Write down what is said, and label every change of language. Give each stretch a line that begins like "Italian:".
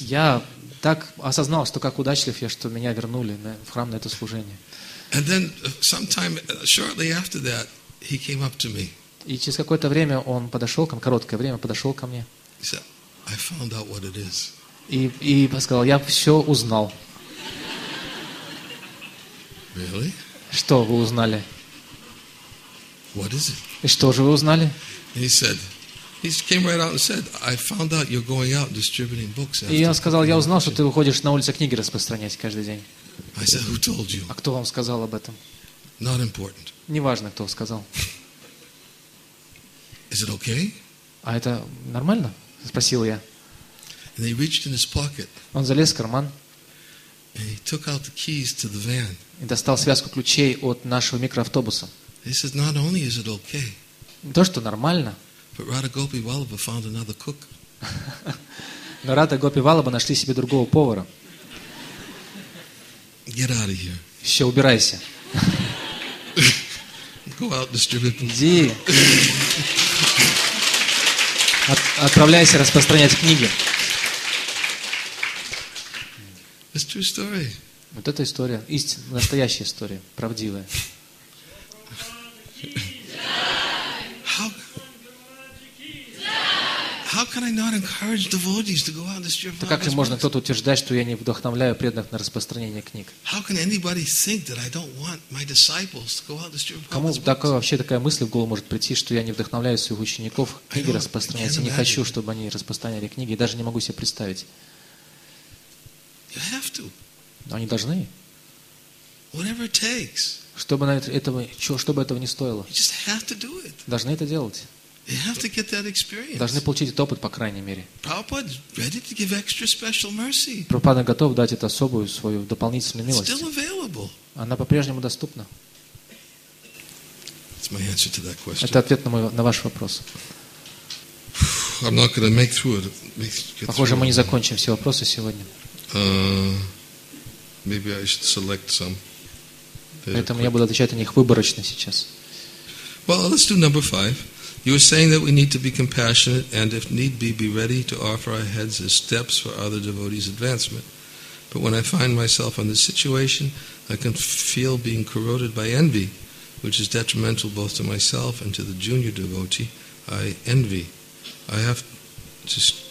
Russian: Я так осознал, что как удачлив я, что меня вернули в храм на это служение.
English: And then sometime shortly after that, he came up to me.
Russian: И через какое-то время он подошел ко мне, короткое время подошел ко мне.
English: I found out what it is.
Russian: И сказал, я все узнал.
English: Really?
Russian: Что вы узнали?
English: What is it?
Russian: И что же вы узнали?
English: He said, he came right out and said, I found out you're going out distributing books.
Russian: И он сказал, я узнал, что ты выходишь на улицу книги распространять каждый день.
English: I said, who told you?
Russian: А кто вам сказал об этом?
English: Not important.
Russian: Неважно, кто сказал.
English: Is it okay?
Russian: А это нормально? Спросил я.
English: And he reached in his pocket.
Russian: Он залез в карман.
English: And he took out the keys to the van.
Russian: И достал связку ключей от нашего микроавтобуса.
English: He said, not only is it okay.
Russian: То, что нормально.
English: But Radha Gopi Vallabha found another cook.
Russian: Но Радха Гопи Валлабха нашли себе другого повара.
English: Get out of here.
Russian: Все, убирайся.
English: Go out, distribute them.
Russian: Иди. Отправляйся распространять книги.
English: It's true story.
Russian: Вот эта история, истинная, настоящая история, правдивая.
English: How can I not encourage devotees to go out and distribute books?
Russian: Как же можно кто-то утверждать, что я не вдохновляю преданных на распространение книг?
English: How can anybody think that I don't want my disciples to go out and distribute books?
Russian: Кому такое вообще такая мысль в голову может прийти, что я не вдохновляю своих учеников книги распространять? Я не хочу, чтобы они распространяли книги, и даже не могу себе представить.
English: You have to.
Russian: Но они должны.
English: Whatever it takes.
Russian: Чтобы этого не стоило.
English: You just have to do it.
Russian: Должны это делать.
English: You have to get that experience.
Russian: Должны получить этот опыт, по крайней мере.
English: Prabhupada ready to give extra special mercy.
Russian: Прабхупада готов дать эту особую свою дополнительную милость.
English: Still available.
Russian: Она по-прежнему доступна.
English: That's my answer to that question.
Russian: Это ответ на ваш вопрос.
English: I'm not going to make through it.
Russian: Похоже, мы не закончим все вопросы сегодня.
English: Maybe I should select some.
Russian: Поэтому я буду отвечать на них выборочно сейчас.
English: Well, let's do number 5. You were saying that we need to be compassionate and if need be ready to offer our heads as steps for other devotees' advancement. But when I find myself in this situation, I can feel being corroded by envy, which is detrimental both to myself and to the junior devotee. I envy. I have to